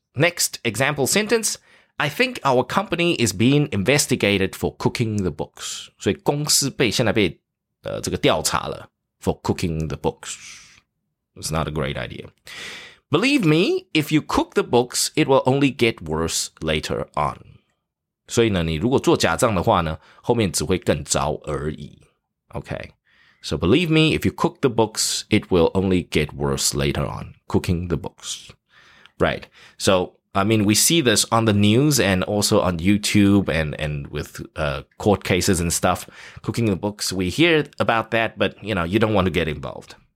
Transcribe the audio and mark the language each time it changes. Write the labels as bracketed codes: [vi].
[en] Next example sentence, I think our company is being investigated for cooking the books. [zh] 所以公司现在被这个调查了 [en] for cooking the books. It's not a great idea. Believe me, if you cook the books, it will only get worse later on. [zh] 所以呢，你如果做假账的话呢，后面只会更糟而已。 [en] Okay. So believe me, if you cook the books, it will only get worse later on. Cooking the books. Right. So I mean, we see this on the news and also on YouTube and with court cases and stuff. Cooking the books, we hear about that, but, you know, you don't want to get involved.